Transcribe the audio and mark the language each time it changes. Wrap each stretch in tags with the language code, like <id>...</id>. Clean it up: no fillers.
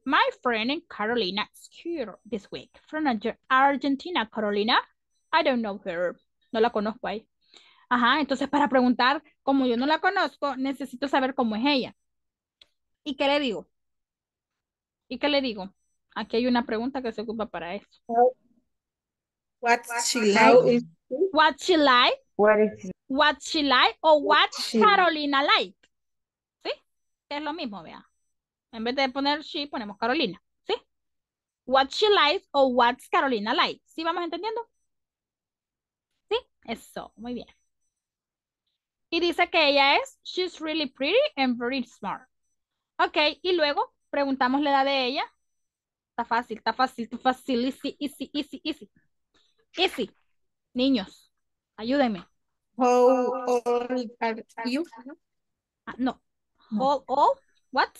<en>My friend in Carolina is here this week. From Argentina, Carolina. I don't know her.</en> <es>No la conozco ahí. Ajá, entonces para preguntar, como yo no la conozco, necesito saber cómo es ella. ¿Y qué le digo? ¿Y qué le digo? Aquí hay una pregunta que se ocupa para eso.</es> <en>What's she like? What's she like? What is she? What's she like? O what's Carolina like?</en> <es>¿Sí? Es lo mismo, vea. En vez de poner she, ponemos Carolina. ¿Sí?</es> <en>What's she like o what's Carolina like?</en> <es>¿Sí vamos entendiendo? ¿Sí? Eso, muy bien. Y dice que ella es,</es> <en>she's really pretty and very smart.</en> <es>Ok, y luego preguntamos la edad de ella. Está fácil, está fácil, está fácil.</es> <en>Easy, easy, easy, easy. Easy.</en> <es>Niños, ayúdenme.</es> <en>How old are you? No. How old? What?</en>